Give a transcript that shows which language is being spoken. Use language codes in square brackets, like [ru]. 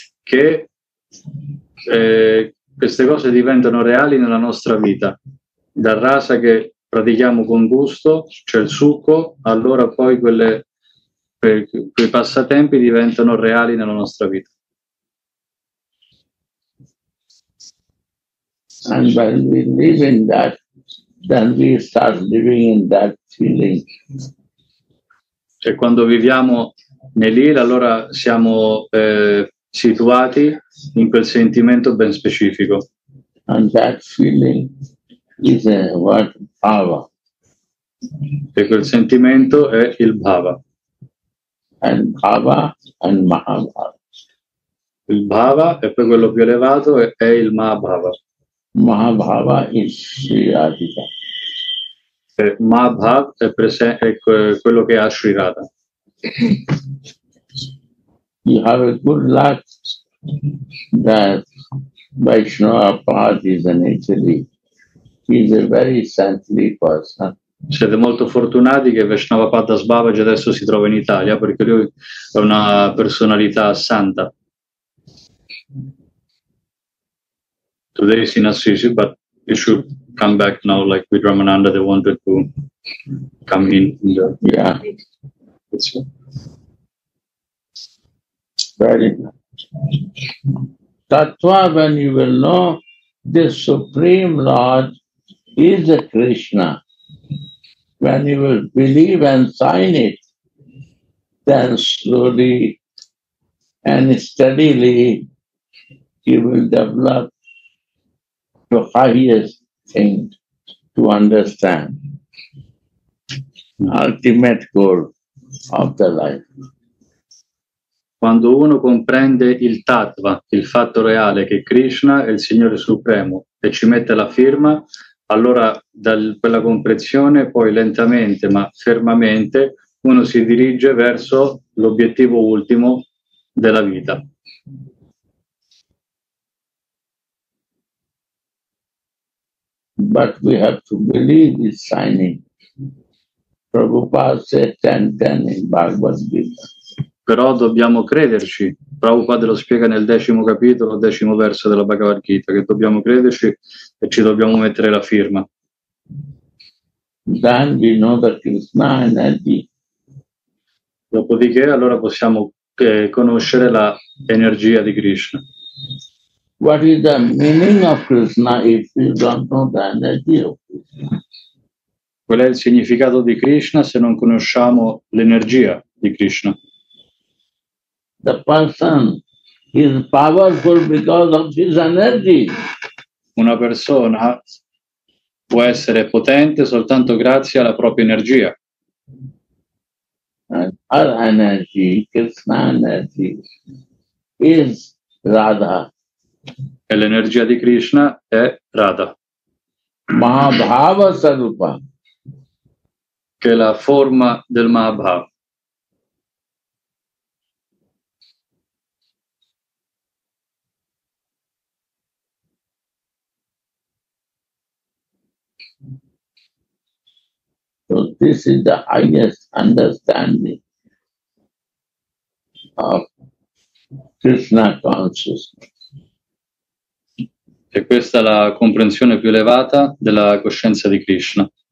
[it] Che queste cose diventano reali nella nostra vita. Dal rasa che pratichiamo con gusto, cioè il succo, allora poi quei passatempi diventano reali nella nostra vita. [en] And when we live in that, then we start living in that feeling. [it] E quando viviamo nell'ira, allora siamo situati in quel sentimento ben specifico. [en] And that feeling is a word, bhava. [it] E quel sentimento è il bhava. [en] And bhava and mahabhava. [it] Il bhava e poi quello più elevato è il mahabhava. [en] Mahabhava is Sri Radhika. [it] Mahabhava è presente, è quello che ha Sri Radha. [en] You have a good luck that Vaishnava Prabhupada is in Italy. He's a very saintly person. [it] Siete molto fortunati che Vaishnava Pattas Babaji adesso si trova in Italia, perché lui è una personalità santa. [en] Today is in Assisi, but he should come back now, like with Ramananda, they wanted to come in. Yeah. Very nice. Tattva, when you will know, the Supreme Lord is a Krishna. When you will believe and sign it, then slowly and steadily you will develop the highest thing to understand, ultimate goal of the life. [it] Quando uno comprende il tattva, il fatto reale che Krishna è il Signore Supremo e ci mette la firma, allora da quella comprensione poi lentamente ma fermamente uno si dirige verso l'obiettivo ultimo della vita. [en] But we have to believe his signing. Prabhupada said 10-10 in Bhagavad Gita. [it] Però dobbiamo crederci. Prabhupada lo spiega nel decimo capitolo, decimo verso della Bhagavad Gita, che dobbiamo crederci e ci dobbiamo mettere la firma. [en] Then we know the Krishna energy. [it] Dopodiché allora possiamo conoscere la energia di Krishna. [en] What is the meaning of Krishna if you don't know the energy of Krishna? [it] Qual è il significato di Krishna se non conosciamo l'energia di Krishna? [en] The person is powerful because of his energy. [it] Una persona può essere potente soltanto grazie alla propria energia. [en] And our energy, Krishna energy, is Radha. [it] E l'energia di Krishna è Radha. [en] Mahabhava Sarupa. [it] Che è la forma del Mahabhava. [en] So this is the highest understanding of Krishna consciousness. [it] E questa è la comprensione più elevata della coscienza di Krishna.